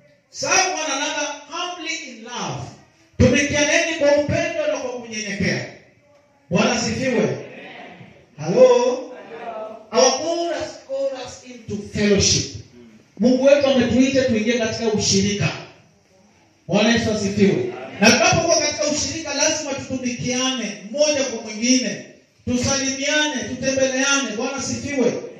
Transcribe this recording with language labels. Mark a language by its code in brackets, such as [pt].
[en] Serve one another humbly in love. [sw] Tumikianeni kwa upendo na kwa kunyenyekea. Bwana asifiwe. Hello? [en] Hello. Our call us into fellowship. [sw] Mungu wetu ametuita tuingie katika ushirika. Bwana Yesu asifiwe. Na tunapokuwa katika ushirika, lazima tutumikiane mmoja kwa mwingine. Tusalimiane, tutembeleane. Bwana asifiwe.